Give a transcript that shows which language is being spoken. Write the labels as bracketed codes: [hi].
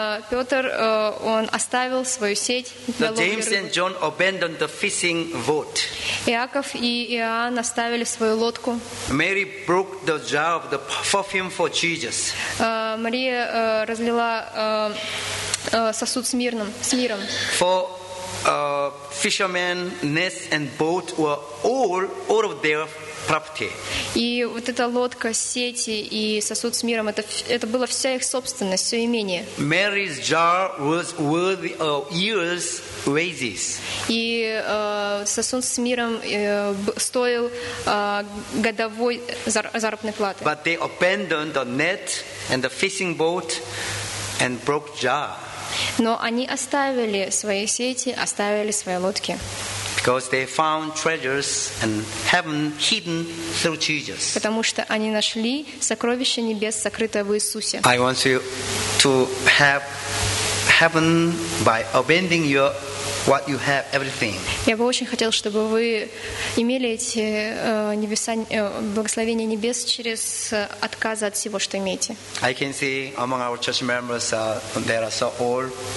[ru] Петр, он оставил свою сеть. [en] James and John abandoned the fishing boat. [ru] Иаков и Иоанн оставили свою лодку. [en] Mary broke the jar of the perfume for Jesus. [ru] Мария разлила сосуд с миром. [en] For fishermen, nets and boat were all of their property. [ru] И вот эта лодка, сети и сосуд с миром, это была вся их собственность, все имение. [en] Mary's jar was worthy of years' wages. [ru] И сосуд с миром стоил годовой заработной платы. [en] But they abandoned the net and the fishing boat and broke jar. [ru] Но они оставили свои сети, оставили свои лодки. [en] Because they found treasures in heaven hidden through Jesus. [ru] Потому что они нашли сокровище небес, сокрытое в Иисусе. [en] I want you to have heaven by abandoning your what you have, everything. [ru] Я бы очень хотел, чтобы вы имели эти небеса, благословения небес через отказ от всего, что имеете. [en] I can see among our church members there are so old.